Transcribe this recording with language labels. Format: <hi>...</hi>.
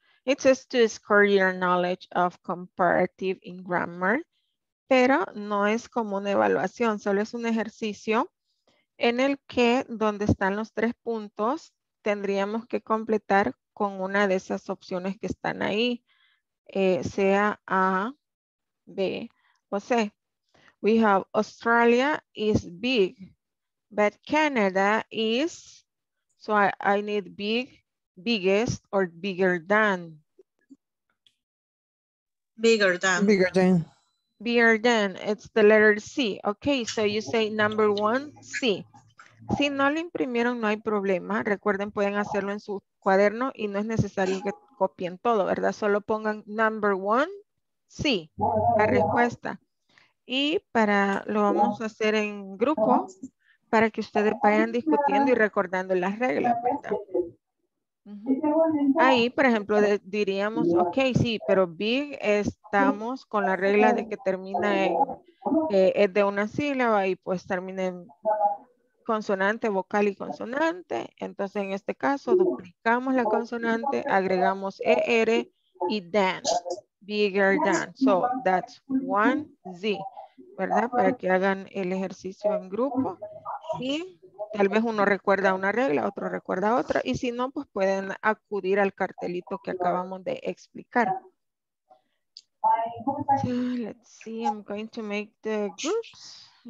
<en>It says to score your knowledge of comparative in grammar,</en> <es>pero no es como una evaluación, solo es un ejercicio en el que donde están los tres puntos tendríamos que completar con una de esas opciones que están ahí, sea A, B o C.</es> <en>We have Australia is big, but Canada is, so I need big, biggest or bigger than. Bigger than. It's the letter C. Okay, so you say number one, C.</en> <es>Si no lo imprimieron, no hay problema. Recuerden, pueden hacerlo en su cuaderno y no es necesario que copien todo, ¿verdad? Solo pongan</es> <en>number one,</en> <es>sí, la respuesta. Y para lo vamos a hacer en grupo para que ustedes vayan discutiendo y recordando las reglas, ¿verdad? Uh-huh. Ahí, por ejemplo, diríamos, ok, sí, pero big estamos con la regla de que termina en, es de una sílaba y pues termina en consonante, vocal y consonante. Entonces, en este caso, duplicamos la consonante, agregamos ER y than, bigger than.</es> <en>So, that's one Z, ¿verdad?</en> <es>Para que hagan el ejercicio en grupo y... Tal vez uno recuerda una regla, otro recuerda otra. Y si no, pues pueden acudir al cartelito que acabamos de explicar.</es> <en>So, let's see, I'm going to make the groups.</en>